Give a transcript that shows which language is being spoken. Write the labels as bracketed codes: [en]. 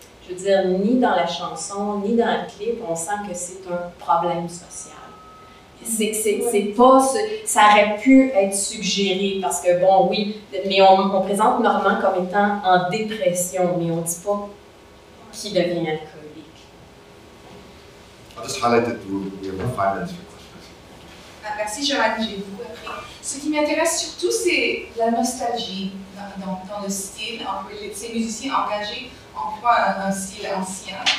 [fr] Ni dans la chanson, ni dans le clip, on sent que c'est un problème social. C'est pas ce, ça aurait pu être suggéré parce que, bon, oui, mais on présente Normand comme étant en dépression, mais on ne dit pas qu'il devient alcoolique. [en] I'll just highlight that we have 5 minutes for questions. [fr] Merci, Joanne, j'ai beaucoup appris. Ce qui m'intéresse surtout, c'est la nostalgie dans le style. En fait, ces musiciens engagés emploient un style ancien.